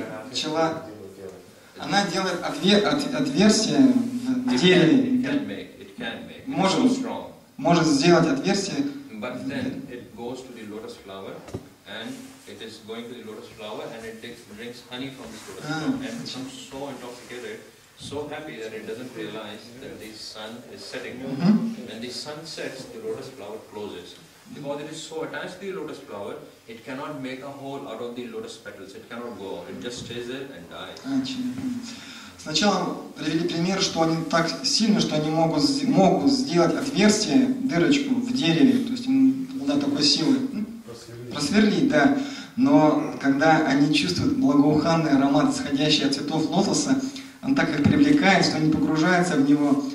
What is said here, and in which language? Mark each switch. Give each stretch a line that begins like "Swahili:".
Russian: Пчела, она делает отверстие в дереве, может сделать отверстие.
English: But then it goes to the lotus flower, and it is going to the lotus flower, and it drinks honey from the lotus flower, and becomes so intoxicated, so happy that it doesn't realize that the sun is setting. When the sun sets, the lotus flower closes. Because it is so attached to the lotus flower, it cannot make a hole out of the lotus petals. It cannot go out. It just stays there and dies.
Russian: Сначала привели пример, что они так сильны, что они могут сделать отверстие, дырочку в дереве. То есть им надо такой силы просверлить, да. Но когда они чувствуют благоуханный аромат, исходящий от цветов лотоса, он так их привлекает, что они погружаются в него.